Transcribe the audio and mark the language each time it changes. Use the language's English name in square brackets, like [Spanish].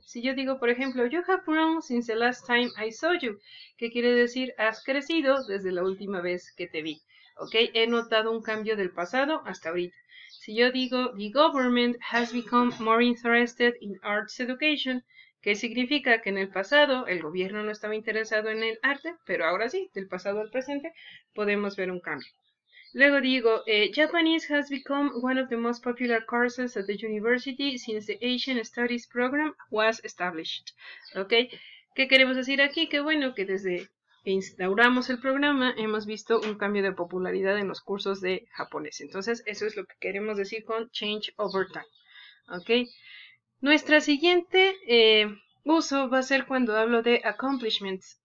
[Spanish] Si yo digo, por ejemplo, [English] you have grown since the last time I saw you, [Spanish] que quiere decir, has crecido desde la última vez que te vi. ¿Ok? He notado un cambio del pasado hasta ahorita. Si yo digo, [English] the government has become more interested in arts education, [Spanish] que significa que en el pasado el gobierno no estaba interesado en el arte, pero ahora sí, del pasado al presente, podemos ver un cambio. Luego digo, [English] Japanese has become one of the most popular courses at the university since the Asian Studies Program was established. [Spanish] Okay. ¿Qué queremos decir aquí? Que bueno, que desde que instauramos el programa hemos visto un cambio de popularidad en los cursos de japonés. Entonces, eso es lo que queremos decir con [English] change over time. [Spanish] Okay. Nuestra siguiente uso va a ser cuando hablo de accomplishments.